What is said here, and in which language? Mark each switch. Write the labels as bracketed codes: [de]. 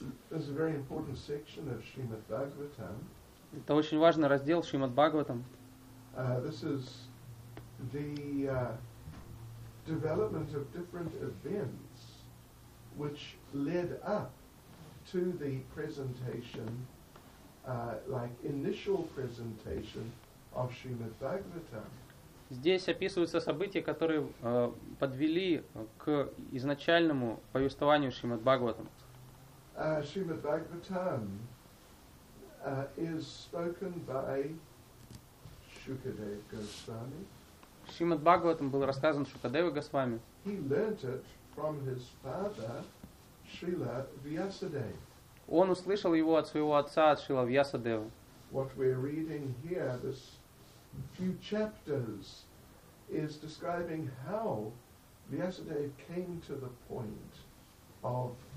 [en] This is a very important section of Srimad Bhagavatam. [ru] Это очень важный раздел Шримад Бхагаватам. [en] This is the development of different events which led up to the presentation, like initial presentation of Srimad Bhagavatam. [ru] Здесь описываются события, которые подвели к изначальному повествованию Шримад Бхагаватам. [en] Srimad Bhagavatam is spoken by Shukadev Goswami. [ru] Srimad Bhagavatam был рассказан Шукадева Госвами. [en] He learnt it from his father, Srila Vyasadeva. [ru] Он услышал его от своего отца, от Шрила Вьясадевы. [en] What we're reading here, this few chapters, is describing how Vyasadeva came to the point of